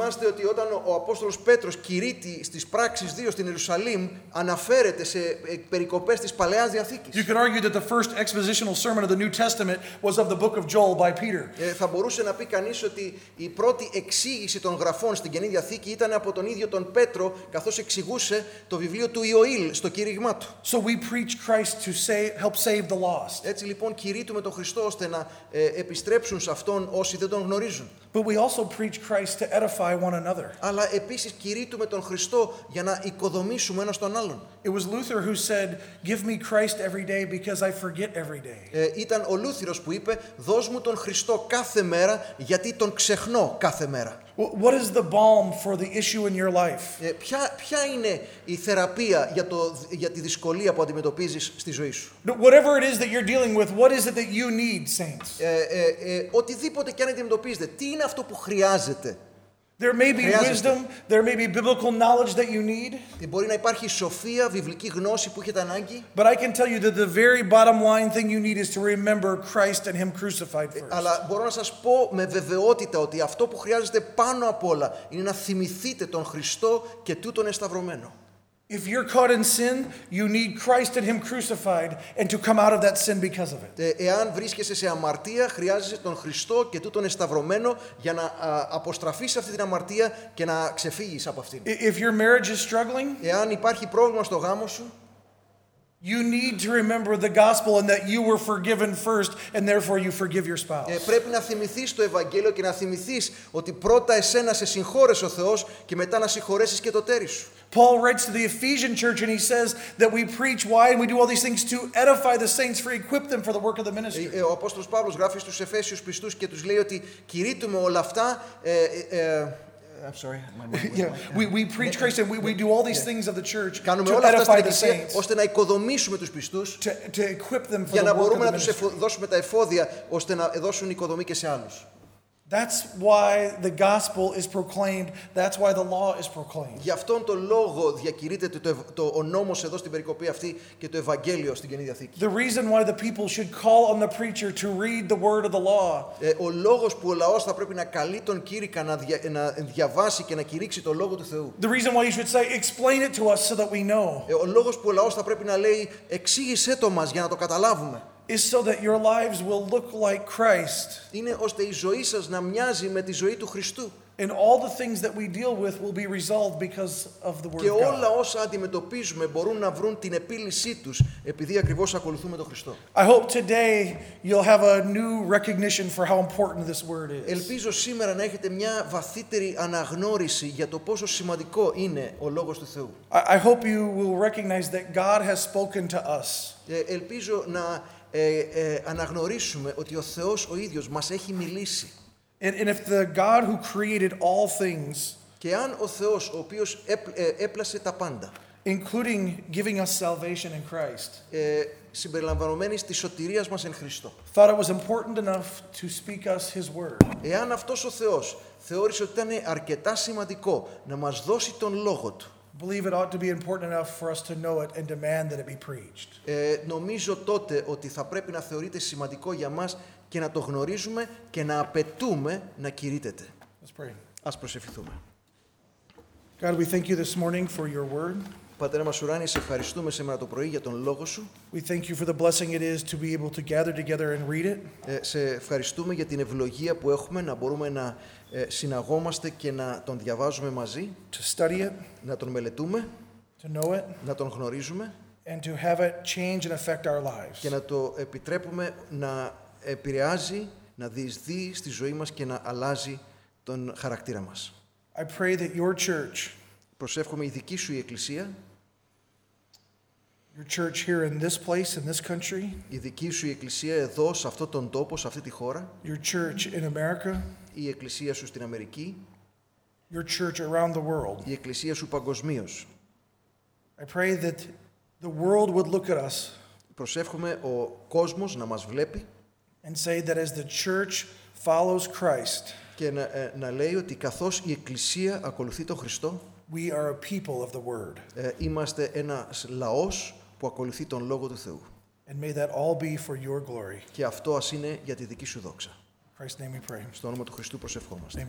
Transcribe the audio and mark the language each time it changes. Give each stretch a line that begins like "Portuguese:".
Greek: Ότι όταν ο Απόστολος Πέτρος κηρύττει στις Πράξεις 2 στην Ιερουσαλήμ αναφέρεται σε περικοπές της Παλαιάς Διαθήκης.
English: You can argue that the first expositional sermon of the New Testament was of the book of Joel by Peter.
Greek: Θα μπορούσε να πει κανείς ότι η πρώτη εξήγηση των γραφών στην Καινή Διαθήκη ήταν από τον ίδιο τον Πέτρο καθώς εξηγούσε το βιβλίο του Ιωήλ στο κήρυγμά του.
English: So we preach Christ to help save the lost.
Greek: Έτσι λοιπόν κηρύττουμε τον Χριστό ώστε να επιστρέψουν σε αυτόν όσοι δεν τον γνωρίζουν.
English: But we also preach Christ to edify one another.
Greek: Αλλά επίσης κηρύττουμε τον Χριστό για να οικοδομήσουμε ένας τον άλλον.
English: It was Luther who said, "Give me Christ every day because I forget every day."
Greek: Ήταν ο Λούθυρος που είπε, "Δώσ' μου τον Χριστό κάθε μέρα γιατί τον ξεχνώ κάθε μέρα."
English: What is the balm for the issue in your life?
Greek: Ποια είναι η θεραπεία για τη δυσκολία που αντιμετωπίζεις στη ζωή σου?
English: Whatever it is that you're dealing with, what is it that you need, saints?
Greek: Οτιδήποτε και αν αντιμετωπίζετε, τι είναι αυτό που χρειάζεται?
English: There may be wisdom, there may be biblical knowledge that you need.
Greek: Μπορεί να υπάρχει σοφία, βιβλική γνώση που έχετε ανάγκη.
English: But I can tell you that the very bottom line thing you need is to remember Christ and Him crucified first.
Greek: Αλλά μπορώ να σας πω με βεβαιότητα ότι αυτό που χρειάζεται πάνω απ' όλα είναι να θυμηθείτε τον Χριστό και τούτον εσταυρωμένο.
English: If you're caught in sin, you need Christ and Him crucified and to come out of that sin because of it.
Greek: Εάν βρίσκεσαι σε αμαρτία, χρειάζεσαι τον Χριστό και τούτον εσταυρωμένο για να αποστραφείς αυτή την αμαρτία και να ξεφύγεις από αυτήν.
English: If your marriage is struggling,
Greek: εάν υπάρχει πρόβλημα στο γάμο σου,
English: You need to remember the gospel and that you were forgiven first and therefore you forgive your spouse.
Greek: Πρέπει να θυμηθείς το Ευαγγέλιο και να θυμηθείς ότι πρώτα εσένα σε συγχώρεσε ο Θεός και μετά να συγχωρέσεις και το τέρι σου.
English: Paul writes to the Ephesian church and he says that we preach why and we do all these things to edify the saints, for equip them for the work of the ministry.
Greek: Ο Απόστολος Παύλος γράφει στους Εφέσιους πιστούς και τους λέει ότι κηρύττουμε όλα αυτά.
English: We preach Christ and we do all these things of the church to edify the saints,
Greek: ώστε να οικοδομήσουμε τους πιστούς,
English: to equip them for
Greek: για
English: the
Greek: να μπορούμε
English: work
Greek: να τους δώσουμε τα εφόδια ώστε να δώσουν οικοδομή και σε άλλους.
English: That's why the gospel is proclaimed. That's why the law is proclaimed.
Greek: Γι' αυτόν τον λόγο διακηρύτεται ο νόμος εδώ στην περικοπή αυτή και το Ευαγγέλιο στην Καινή Διαθήκη.
English: The reason why the people should call on the preacher to read the word of the law.
Greek: Ο λόγος που ο λαός θα πρέπει να καλεί τον κήρυκα να διαβάσει και να κηρύξει το λόγο του Θεού.
English: The reason why you should say, explain it to us so that we know.
Greek: Ο λόγος που ο λαός θα πρέπει να λέει, εξήγησέ το μας για να το καταλάβουμε.
English: Is so that your lives will look like Christ.
Greek: Είναι ώστε η ζωή σας να μοιάζει με τη ζωή του Χριστού.
English: And all the things that we deal with will be resolved because of the word of God.
Greek: Και όλα όσα αντιμετωπίζουμε μπορούν να βρουν την επίλυσή τους επειδή ακριβώς ακολουθούμε τον Χριστό.
English: I hope today you'll have a new recognition for how important this word is.
Greek: Ελπίζω σήμερα να έχετε μια βαθύτερη αναγνώριση για το πόσο σημαντικό είναι ο λόγος του Θεού.
English: I hope you will recognize that God has spoken to us.
Greek: Ελπίζω να αναγνωρίσουμε ότι ο Θεός ο ίδιος μας έχει μιλήσει.
English: And if the God who created all things,
Greek: και αν ο Θεός ο οποίος έπλασε τα πάντα,
English: including giving us salvation in Christ,
Greek: συμπεριλαμβανομένης της σωτηρίας μας εν Χριστώ,
English: thought it was important enough to speak us His word,
Greek: εάν αυτός ο Θεός θεώρησε ότι ήταν αρκετά σημαντικό να μας δώσει τον λόγο του,
English: believe it ought to be important enough for us to know it and demand that it be preached.
Greek: Νομίζω τότε ότι θα πρέπει να θεωρείται σημαντικό για μας και να το γνωρίζουμε και να απαιτούμε να κηρύτεται.
English: Let's pray.
Greek: Ας προσευχηθούμε.
English: God, we thank you this morning for your word.
Greek: Πατέρα μας ουράνιε, σε ευχαριστούμε σήμερα το πρωί για τον λόγο σου.
English: We thank you for the blessing it is to be able to gather together and read it.
Greek: Σε ευχαριστούμε για την ευλογία που έχουμε να μπορούμε να συναγόμαστε και να τον διαβάζουμε μαζί,
English: to study it,
Greek: να τον μελετούμε,
English: to know it,
Greek: να τον γνωρίζουμε,
English: and to have it change and affect our lives,
Greek: και να το επιτρέπουμε να επηρεάζει, να διεισδύει στη ζωή μας και να αλλάζει τον χαρακτήρα μας.
English: I pray that your church,
Greek: προσεύχομαι η δική σου η εκκλησία,
English: your church here in this place, in this country,
Greek: η δική σου η εκκλησία εδώ, σε αυτόν τον τόπο, σε αυτή τη χώρα,
English: your church in America,
Greek: η εκκλησία σου στην Αμερική,
English: your church around the world,
Greek: η εκκλησία σου παγκοσμίως.
English: I pray that the world would look at us,
Greek: προσεύχομαι ο κόσμος να μας βλέπει,
English: and say that as the church follows Christ,
Greek: και να λέει ότι καθώς η εκκλησία ακολουθεί τον Χριστό,
English: we are a people of the word.
Greek: Είμαστε ένας λαός που ακολουθεί τον λόγο του Θεού.
English: And may that all be for your glory.
Greek: Και αυτό ας είναι για τη δική σου δόξα.
English: Christ's name we pray.
Greek: Στο όνομα του Χριστού προσευχόμαστε.